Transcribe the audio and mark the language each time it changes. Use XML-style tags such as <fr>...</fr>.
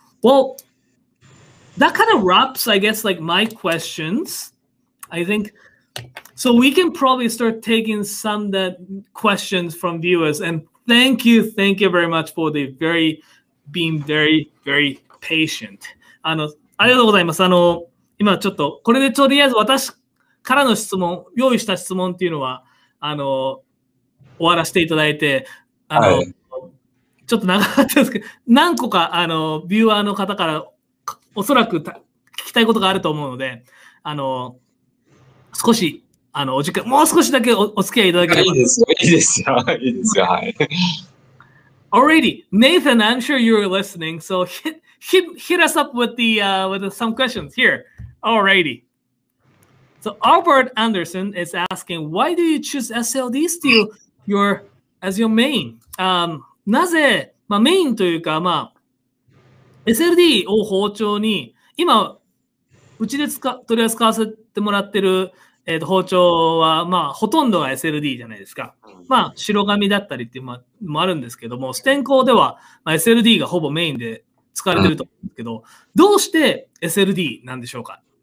<en>Well, that kind of wraps, I guess, like my questions. I think So we can probably start taking some that questions from viewers. And thank you very much for the very, being very, very patient.</en> <ja>あの、ありがとうございます。あの、今ちょっと、これでとりあえず私からの質問、用意した質問っていうのは、あの、終わらせていただいて、あの、はい、ちょっと長かったですけど、何個か、あの、ビューアーの方から、おそらく聞きたいことがあると思うので、あの、少し、あの、お時間、もう少しだけ お付き合いいただければ。いいですよ、いいですよ、いいですよ、はい。</ja> <en>Alrighty, Nathan, I'm sure you're listening, so hit us up with some questions here. Alrighty. So Albert Anderson is asking, why do you choose SLD still as your main?</en> <ja>なぜ、まあ、メインというか、まあ、SLD を包丁に、今、うちで取り扱わせてもらってる、包丁は、まあ、ほとんどが SLD じゃないですか。まあ、白紙だったりっていうのもあるんですけども、ステンコーでは、まあ、SLD がほぼメインで使われてると思うんですけど、どうして SLD なんでしょうか？</ja>